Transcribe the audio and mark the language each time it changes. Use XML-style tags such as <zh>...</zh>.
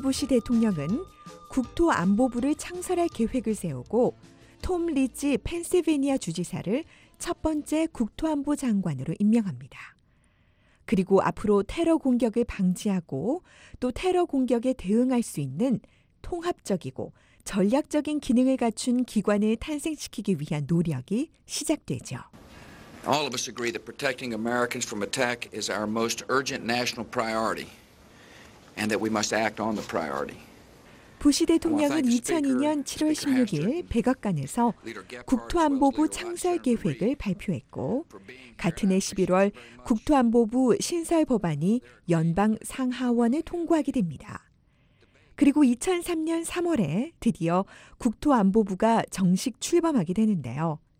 <ko>부시 대통령은 국토안보부를 창설할 계획을 세우고 톰 리지 펜실베니아 주지사를 첫 번째 국토안보 장관으로 임명합니다. 그리고 앞으로 테러 공격을 방지하고 또 테러 공격에 대응할 수 있는 통합적이고 전략적인 기능을 갖춘 기관을 탄생시키기 위한 노력이 시작되죠.</ko> <en>All of us agree that protecting Americans from attack is our most urgent national priority and that we must act on the priority.</en> <ko>부시 대통령은 2002년 7월 16일 백악관에서 국토안보부 창설계획을 발표했고 같은 해 11월 국토안보부 신설법안이 연방상하원을 통과하게 됩니다. 그리고 2003년 3월에 드디어 국토안보부가 정식 출범하게 되는데요.</ko>